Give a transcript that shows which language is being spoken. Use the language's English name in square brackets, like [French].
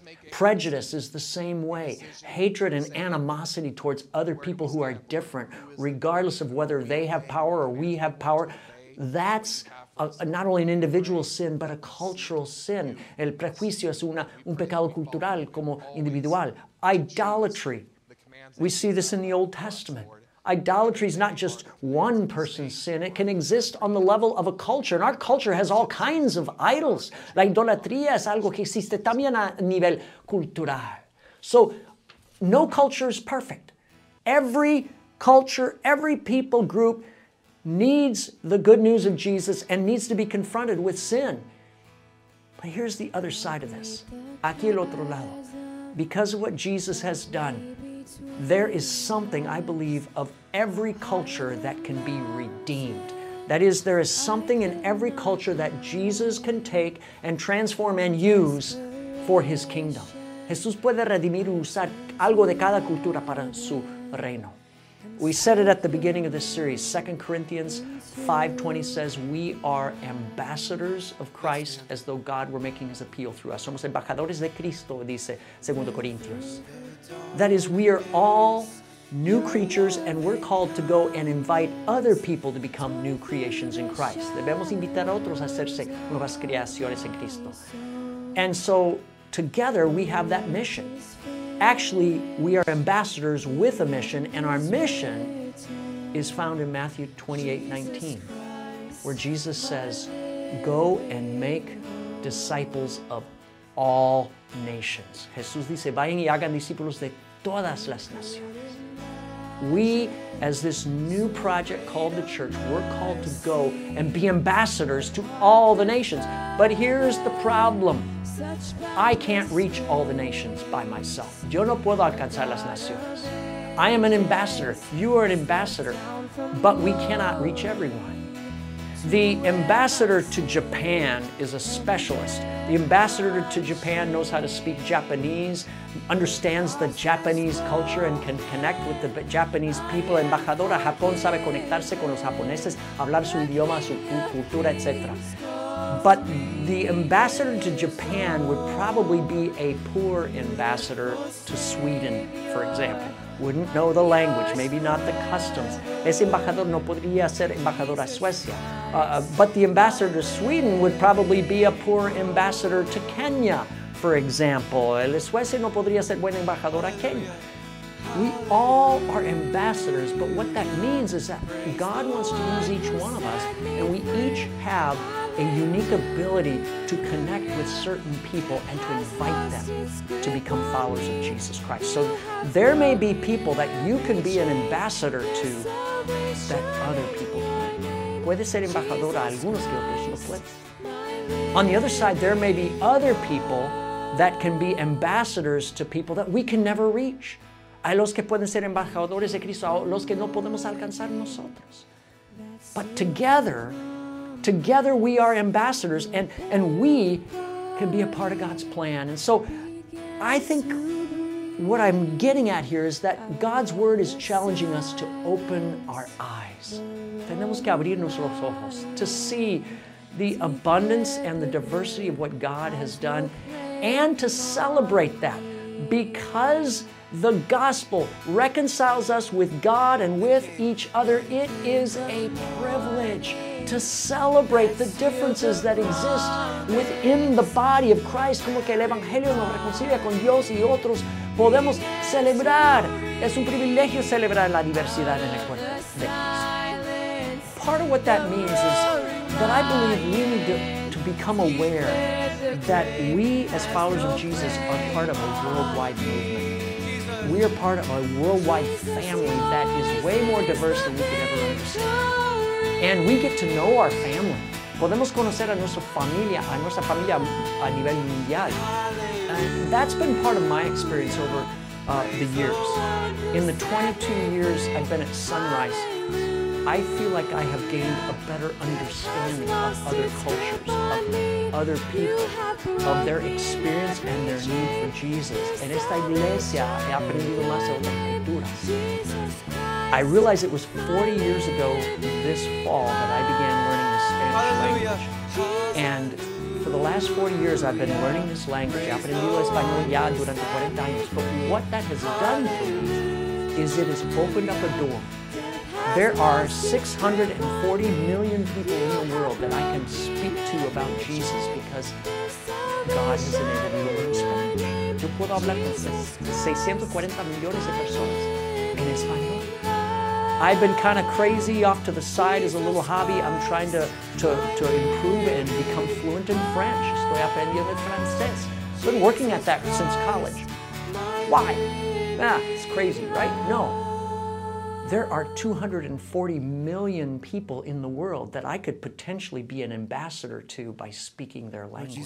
[English] Prejudice is the same way. Hatred and animosity towards other people who are different, regardless of whether they have power or we have power, that's not only an individual sin, but a cultural sin. [Spanish] El prejuicio es un pecado cultural como individual. [English] Idolatry. We see this in the Old Testament. Idolatry is not just one person's sin. It can exist on the level of a culture. And our culture has all kinds of idols. [Spanish] La idolatría es algo que existe también a nivel cultural. [English] So no culture is perfect. Every culture, every people group needs the good news of Jesus and needs to be confronted with sin. But here's the other side of this. [Spanish] Aquí el otro lado. [English] Because of what Jesus has done, there is something, I believe, of every culture that can be redeemed. That is, there is something in every culture that Jesus can take and transform and use for his kingdom. [Spanish] Jesús puede redimir y usar algo de cada cultura para su reino. [English] We said it at the beginning of this series. 2 Corinthians 5:20 says, we are ambassadors of Christ as though God were making his appeal through us. [Spanish] Somos embajadores de Cristo, dice 2 Corinthians. [English] That is, we are all new creatures and we're called to go and invite other people to become new creations in Christ. [Spanish] Debemos invitar a otros a hacerse nuevas creaciones en Cristo. [English] And so together we have that mission. Actually, we are ambassadors with a mission, and our mission is found in Matthew 28:19, where Jesus says, go and make disciples of all nations. [Spanish] Jesús dice, vayan y hagan discípulos de todas las naciones. [English] We, as this new project called the church, we're called to go and be ambassadors to all the nations. But here's the problem. I can't reach all the nations by myself. [Spanish] Yo no puedo alcanzar las naciones. [English] I am an ambassador. You are an ambassador. But we cannot reach everyone. The ambassador to Japan is a specialist. The ambassador to Japan knows how to speak Japanese, understands the Japanese culture, and can connect with the Japanese people. [Spanish] Embajador a Japón sabe conectarse con los japoneses, hablar su idioma, su cultura, etc. [English] But the ambassador to Japan would probably be a poor ambassador to Sweden, for example. Wouldn't know the language, maybe not the customs. [Spanish] Ese embajador no podría ser embajador a Suecia. [English] But the ambassador to Sweden would probably be a poor ambassador to Kenya, for example. [Spanish] El Suecia no podría ser buen embajador a Kenya. [English] We all are ambassadors, but what that means is that God wants to use each one of us, and we each have a unique ability to connect with certain people and to invite them to become followers of Jesus Christ. So there may be people that you can be an ambassador to that other people can. [Spanish] Puedes ser embajador a algunos que otros no pueden. [English] On the other side, there may be other people that can be ambassadors to people that we can never reach. [Spanish] Hay los que pueden ser embajadores de Cristo, los que no podemos alcanzar nosotros. [English] But together we are ambassadors, and we can be a part of God's plan. And so I think what I'm getting at here is that God's word is challenging us to open our eyes. [Spanish] Tenemos que abrir nuestros ojos [English] to see the abundance and the diversity of what God has done, and to celebrate that, because the gospel reconciles us with God and with each other. It is a privilege to celebrate the differences that exist within the body of Christ. [Spanish] Como que el Evangelio nos reconcilia con Dios y otros, podemos celebrar. Es un privilegio celebrar la diversidad en el cuerpo de Cristo. [English] Part of what that means is that I believe we need to become aware that we as followers of Jesus are part of a worldwide movement. We are part of a worldwide family that is way more diverse than we could ever understand. And we get to know our family. [Spanish] Podemos conocer a nuestra familia a nivel mundial. [English] And that's been part of my experience over the years. In the 22 years I've been at Sunrise, I feel like I have gained a better understanding of other cultures, of other people, of their experience and their need for Jesus. [Spanish] En esta iglesia he aprendido más de otras culturas. [English] I realize it was 40 years ago this fall that I began learning the Spanish language. And for the last 40 years I've been learning this language, [Spanish] aprendido español ya durante 40 años. [English] But what that has done for me is it has opened up a door. There are 640 million people in the world that I can speak to about Jesus because God has enabled me to learn Spanish. [Spanish] Yo puedo hablar con 640 millones de personas en español. [English] I've been kind of crazy off to the side as a little hobby. I'm trying to improve and become fluent in French. [Spanish] Estoy aprendiendo francés. [English] Been working at that since college. Why? It's crazy, right? No. There are 240 million people in the world that I could potentially be an ambassador to by speaking their language.